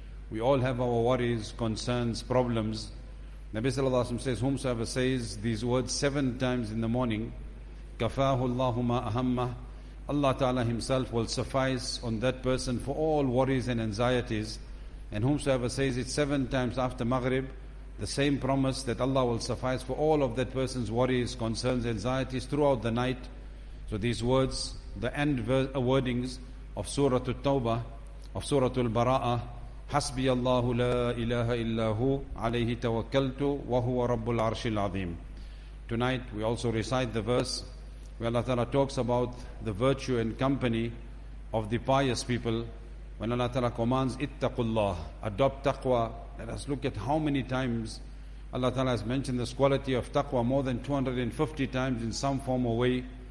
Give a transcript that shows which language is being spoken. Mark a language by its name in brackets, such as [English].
[English] We all have our worries, concerns, problems. Nabi sallallahu alayhi wa sallam says, whomsoever says these words 7 times in the morning, [Arabic] كَفَاهُ اللَّهُ مَا أَهَمَّهُ, [English] Allah Ta'ala Himself will suffice on that person for all worries and anxieties. And whomsoever says it 7 times after Maghrib, the same promise that Allah will suffice for all of that person's worries, concerns, anxieties throughout the night. So these words, the end wordings of Surah At-Tawbah, of Surah Al-Bara'ah, [Arabic] حَسْبِيَ اللَّهُ لَا إِلَهَ إِلَّا هُوَ عَلَيْهِ تَوَكَّلْتُ وَهُوَ رَبُّ الْعَرْشِ الْعَظِيمِ. [English] Tonight we also recite the verse where Allah Ta'ala talks about the virtue and company of the pious people. When Allah Ta'ala commands, ittaqullah, adopt taqwa. Let us look at how many times Allah Ta'ala has mentioned this quality of taqwa, more than 250 times in some form or way.